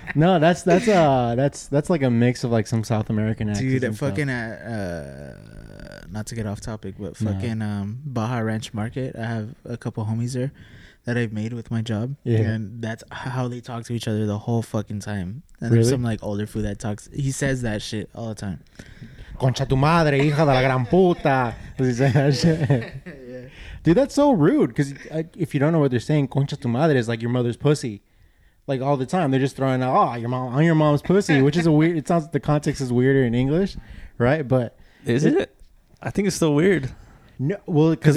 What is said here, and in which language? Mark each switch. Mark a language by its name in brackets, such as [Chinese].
[English] No, that's like a mix of some South American accent. Dude, fucking not to get off topic, but Baja Ranch Market. I have a couple homies there that I've made with my job. Yeah. And that's how they talk to each other the whole fucking time. And really? There's some older food that talks. He says that shit all the time. [Spanish] Concha tu madre, hija de la gran puta. [English] Does he say that shit? Dude, that's so rude, because if you don't know what they're saying, [Spanish] concha tu madre [English] is your mother's pussy. All the time. They're just throwing out, your mom, on your mom's pussy, which is a weird, it sounds like the context is weirder in English, right? But is it? I think it's still weird. No, well, because